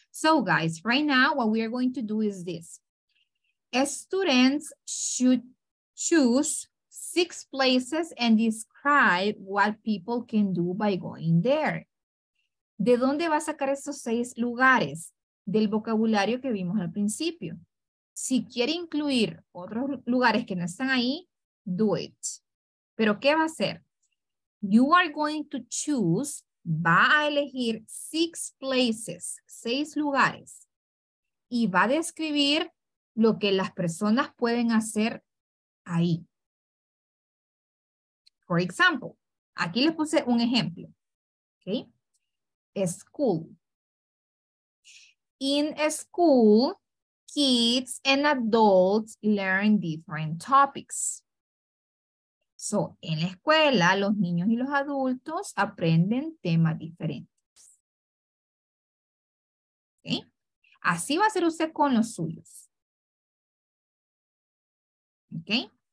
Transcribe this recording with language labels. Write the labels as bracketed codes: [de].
[en] So guys, right now, what we are going to do is this. Students should choose six places and describe what people can do by going there. [es] ¿De dónde va a sacar esos seis lugares? Del vocabulario que vimos al principio. Si quiere incluir otros lugares que no están ahí, [en] do it. [es] ¿Pero qué va a hacer? [en] You are going to choose... [es] Va a elegir [en] six places, [es] seis lugares, y va a describir lo que las personas pueden hacer ahí. [en] For example, [es] aquí les puse un ejemplo. Okay? School. [en] In a school, kids and adults learn different topics. [es] So, en la escuela, los niños y los adultos aprenden temas diferentes. ¿Okay? Así va a ser usted con los suyos. [en] ¿Okay?